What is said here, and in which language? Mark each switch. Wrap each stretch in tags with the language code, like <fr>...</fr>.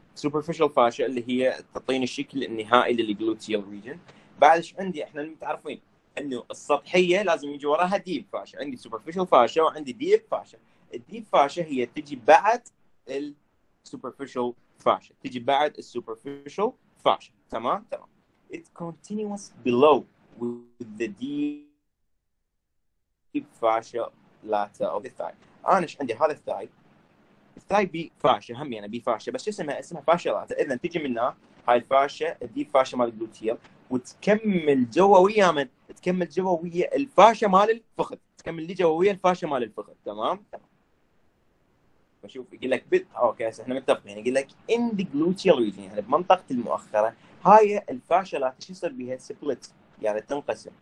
<ar>superficial fascia اللي هي تعطيني الشكل النهائي للجلوتيال ريجن. بعد ايش عندي؟ احنا متعرفين انه السطحيه لازم يجي وراها ديب فاشا، عندي superficial fascia وعندي ديب fascia. الديب fascia هي تجي بعد السوبرفيشال fascia، تجي بعد السوبرفيشال fascia. تمام تمام</ar> <en>it's continuous below with the deep fascia later of the thigh.</en> <ar>انا ايش عندي؟ هذا الثاي بي فاشا، همي انا بي فاشا بس اسمها فاشا لاتا. اذا تجي منها هاي الفاشا الدي فاشا مال الجلوتيل وتكمل جوا ويا من؟ تكمل جوا ويا الفاشا مال الفخذ، تكمل لي جوا ويا الفاشا مال الفخذ. تمام بشوف يقول لك اوكي هسه احنا متفقين، يقول لك ان ذا جلوتيل ريجن يعني بمنطقه المؤخره هاي الفاشا لاتا شو يصير بها؟ سبلت يعني تنقسم.</ar>